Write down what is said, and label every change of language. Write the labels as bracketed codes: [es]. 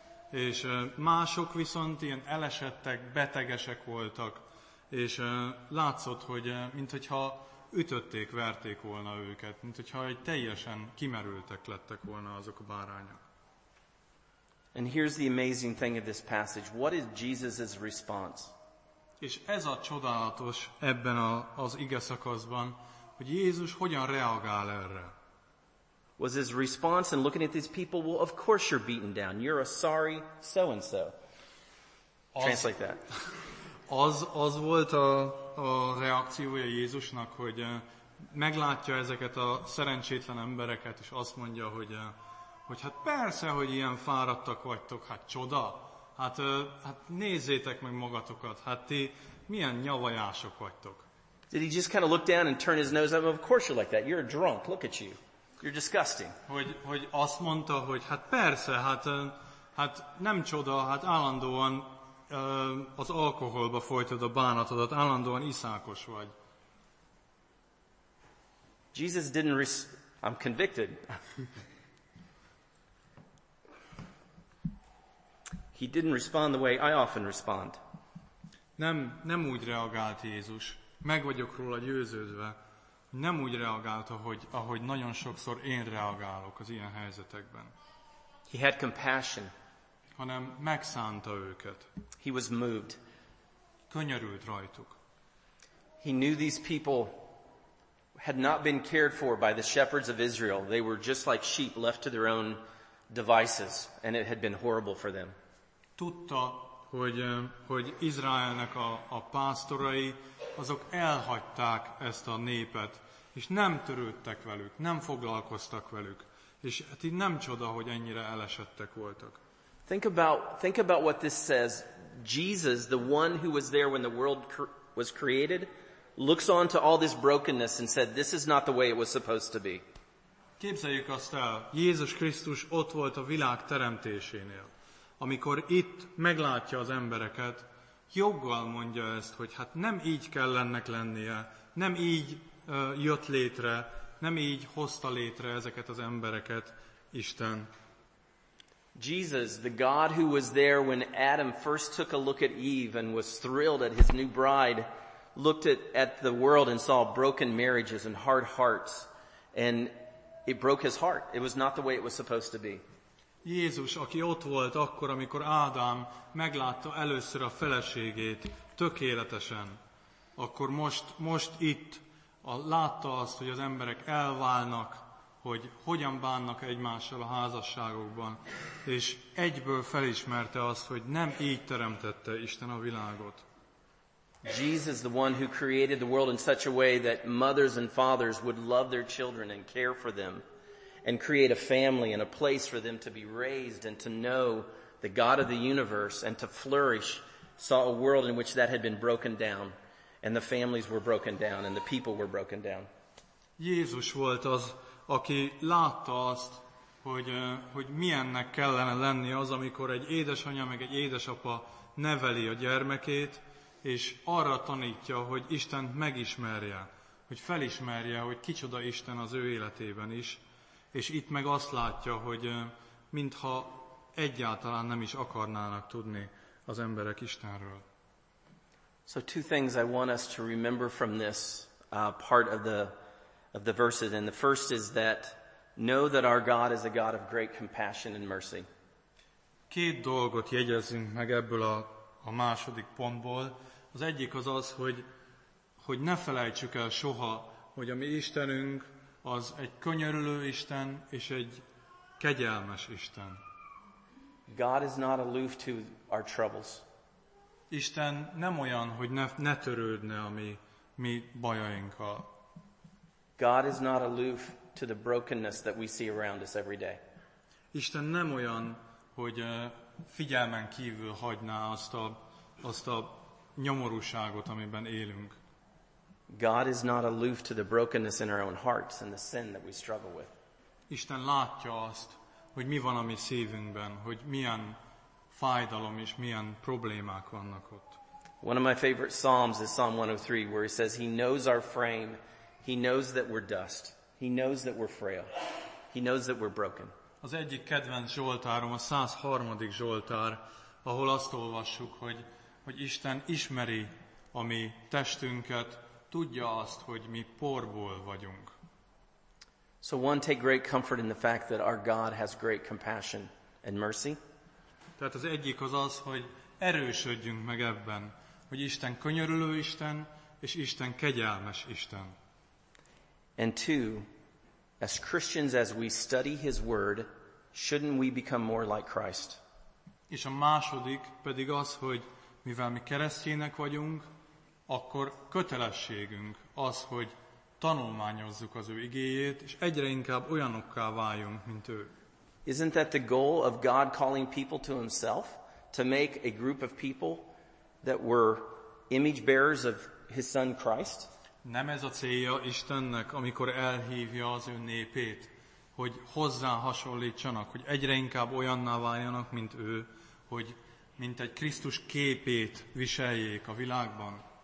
[hu] És mások viszont ilyen elesettek, betegesek voltak, és látszott, hogy mintha ütötték, verték volna őket, mintha egy teljesen kimerültek lettek volna azok a bárányok. [en] And here's the amazing thing of this passage. What is Jesus's response? [hu] És ez a csodálatos ebben az ige szakaszban, hogy Jézus hogyan reagál erre. [en] Was his response in looking at these people, well, of course you're beaten down. You're a sorry so-and-so. Translate that. [hu] Az volt a reakciója Jézusnak, hogy meglátja ezeket a szerencsétlen embereket, és azt mondja, hogy hát persze, hogy ilyen fáradtak vagytok, hát csoda. Hát nézzétek meg magatokat, hát ti milyen nyavajások vagytok. [en] Did he just kind of look down and turn his nose up? Of course you're like that. You're a drunk. Look at you. You're disgusting. [hu] Hogy azt mondta, hogy hát persze, hát nem csoda, hát állandóan az alkoholba folytod a bánatodat, állandóan iszákos vagy. [en] Jesus didn't I'm convicted. He didn't respond the way I often respond. [hu] Nem úgy reagált Jézus. Meg vagyok róla győződve. Nem úgy reagált, ahogy nagyon sokszor én reagálok az ilyen helyzetekben. [en] He had compassion. [hu] Hanem megszánta őket. [en] He was moved. [hu] Könyörült rajtuk. [en] He knew these people had not been cared for by the shepherds of Israel. They were just like sheep left to their own devices, and it had been horrible for them. [hu] Tudta, hogy Izraelnek a pásztorai azok elhagyták ezt a népet, és nem törődtek velük, nem foglalkoztak velük, és hát így nem csoda, hogy ennyire elesettek voltak. [en] Think about what this says. Jesus, the one who was there when the world was created, looks on to all this brokenness and said, "This is not the way it was supposed to be." [hu] Képzeljük azt el, Jézus Krisztus ott volt a világ teremtésénél. Amikor itt meglátja az embereket, joggal mondja ezt, hogy hát nem így kell ennek lennie, nem így jött létre, nem így hozta létre ezeket az embereket Isten. [en] Jesus, the God who was there when Adam first took a look at Eve and was thrilled at his new bride, looked at the world and saw broken marriages and hard hearts, and it broke his heart. It was not the way it was supposed to be. [hu] Jézus, aki ott volt akkor, amikor Ádám meglátta először a feleségét tökéletesen, akkor most itt látta azt, hogy az emberek elválnak, hogy hogyan bánnak egymással a házasságokban, és egyből felismerte azt, hogy nem így teremtette Isten a világot. [en] Jesus, the one who created the world in such a way that mothers and fathers would love their children and care for them, and create a family and a place for them to be raised and to know the God of the universe and to flourish, saw a world in which that had been broken down, and the families were broken down and the people were broken down. [hu] Jézus volt az, aki látta azt, hogy milyennek kellene lenni az, amikor egy édesanya meg egy édesapa neveli a gyermekét, és arra tanítja, hogy Istent megismerje, hogy felismerje, hogy kicsoda Isten az ő életében is. És itt meg azt látja, hogy mintha egyáltalán nem is akarnának tudni az emberek Istenről. [en] So two things I want us to remember from this part of the verses. And the first is that know that our God is a God of great compassion and mercy. [hu] Két dolgot jegyezzünk meg ebből a második pontból. Az egyik az az, hogy ne felejtsük el soha, hogy a mi Istenünk az egy könyörülő Isten és egy kegyelmes Isten. [en] God is not aloof to our troubles. [hu] Isten nem olyan, hogy ne törődne a mi bajainkkal. [en] God is not aloof to the brokenness that we see around us every day. [hu] Isten nem olyan, hogy figyelmen kívül hagyná azt a nyomorúságot, amiben élünk. [en] God is not aloof to the brokenness in our own hearts and the sin that we struggle with. [hu] Isten látja azt, hogy mi van a mi szívünkben, hogy milyen fájdalom és milyen problémák vannak ott. [en] One of my favorite psalms is Psalm 103, where he says, he knows our frame, he knows that we're dust, he knows that we're frail, he knows that we're broken. [hu] Az egyik kedvenc zsoltárom, a 103. zsoltár, ahol azt olvassuk, hogy Isten ismeri a mi testünket, tudja azt, hogy mi porból vagyunk. [en] So one, take great comfort in the fact that our God has great compassion and mercy. [hu] Tehát az egyik az az, hogy erősödjünk meg ebben, hogy Isten könyörülő Isten, és Isten kegyelmes Isten. [en] And two, as Christians, as we study his word, shouldn't we become more like Christ? [hu] És a második pedig az, hogy mivel mi keresztények vagyunk, akkor kötelességünk az, hogy tanulmányozzuk az ő igéjét, és egyre inkább olyanokká váljunk, mint ő. [en] Isn't that the goal of God calling people to himself? To make a group of people that were image bearers of his son Christ? [hu] Nem ez a célja Istennek, amikor elhívja az ő népét, hogy hozzá hasonlítsanak, hogy egyre inkább olyanná váljanak, mint ő, hogy mint egy Krisztus képét viseljék a világban.